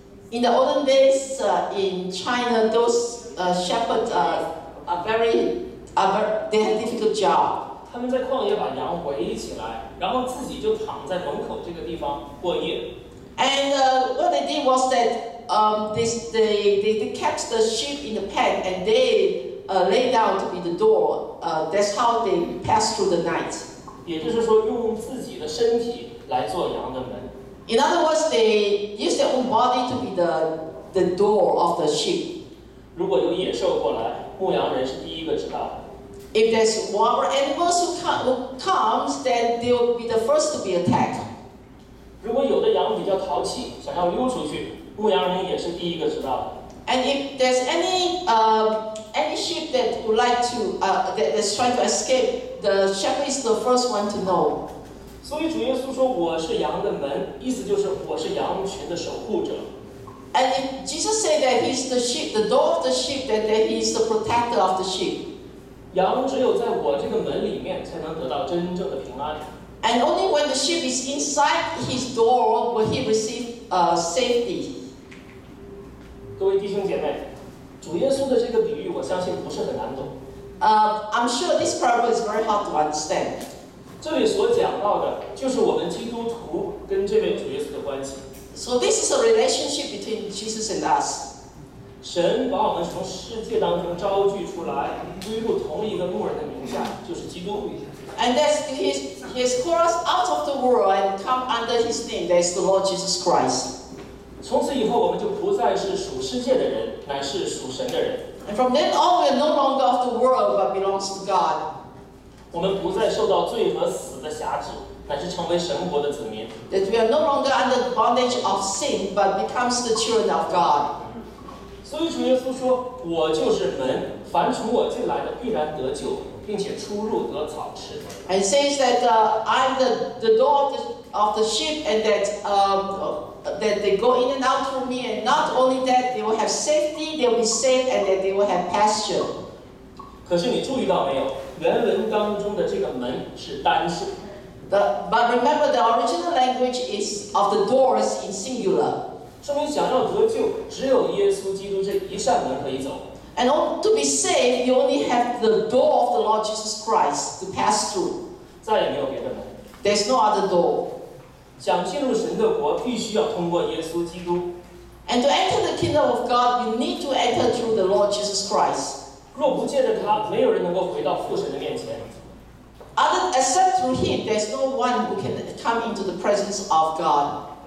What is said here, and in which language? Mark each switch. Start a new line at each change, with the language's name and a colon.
English: In the olden days, in China, those shepherds they have difficult job.
Chinese: 他们在旷野把羊围起来，然后自己就躺在门口这个地方过夜。
English: And what they did was that they kept the sheep in the pen and they lay down to be the door. That's how they pass through the night.
Chinese: 也就是说，用自己的身体来做羊的门。
English: In other words, they use their own body to be the door of the sheep.
Chinese: 如果有野兽过来，牧羊人是第一个知道。
English: If there's wild animals who comes, then they will be the first to be attacked.
Chinese: 如果有的羊比较淘气，想要溜出去，牧羊人也是第一个知道。
English: And if there's any sheep that would like to that's trying to escape, the shepherd is the first one to know.
Chinese: 所以主耶稣说我是羊的门，意思就是我是羊群的守护者。
English: And Jesus said that he's the sheep, the door of the sheep, that he's the protector of the sheep.
Chinese: 羊只有在我这个门里面才能得到真正的平安。
English: And only when the sheep is inside his door will he receive safety.
Chinese: 各位弟兄姐妹，主耶稣的这个比喻我相信不是很难懂。
English: I'm sure this parable is very hard to understand.
Chinese: 这里所讲到的就是我们基督徒跟这位主耶稣的关系。
English: So this is a relationship between Jesus and us.
Chinese: 神把我们从世界当中召聚出来，归入同一个牧人的名下，就是基督。
English: And that's he's called us out of the world and come under his name, that is the Lord Jesus Christ.
Chinese: 从此以后，我们就不再是属世界的人，乃是属神的人。
English: And from then on, we are no longer of the world, but belongs to God.
Chinese: 我们不再受到罪和死的辖制，乃是成为神国的子民。
English: That we are no longer under the bondage of sin, but becomes the children of God.
Chinese: 所以主耶稣说：“我就是门，凡从我进来的必然得救，并且出入得草吃。”
English: And says that I'm the door of the sheep, and that they go in and out through me, and not only that, they will have safety, they will be safe, and that they will have pasture.
Chinese: 可是你注意到没有？原文当中的这个门是单数。
English: But remember the original language is of the doors in singular.
Chinese: 说明想要得救，只有耶稣基督这一扇门可以走。
English: And to be saved, you only have the door of the Lord Jesus Christ to pass through.
Chinese: 再也没有别的门。
English: There's no other door.
Chinese: 想进入神的国，必须要通过耶稣基督。
English: And to enter the kingdom of God, you need to enter through the Lord Jesus Christ.
Chinese: 若不借着他，没有人能够回到父神的面前。
English: Except through him, there's no one who can come into the presence of God.